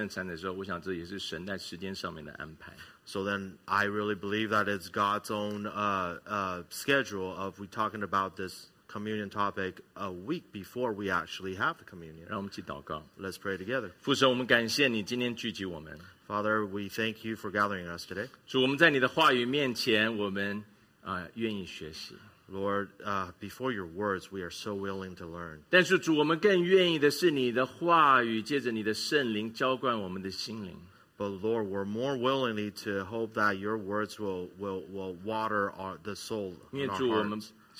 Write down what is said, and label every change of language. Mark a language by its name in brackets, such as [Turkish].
[Chinese] 我想今天让我们有个机会对圣餐有个更正式的了解，预备我们的心。下周一起领圣餐的时候，我想这也是神在时间上面的安排。So [English] then, I really believe that it's God's own schedule of we talking about this communion topic a week before we actually have the communion. [Chinese] 让我们一起祷告。Let's [English] pray together. [Chinese] 父神，我们感谢你今天聚集我们。Father, [English] we thank you for gathering us today. [Chinese] 主，我们在你的话语面前，我们愿意学习。 [English] Lord, before your words, we are so willing to learn. [Chinese] 但是主，我们更愿意的是你的话语，借着你的圣灵浇灌我们的心灵。But [English] Lord, we're more willing to hope that your words will water the soul in our hearts.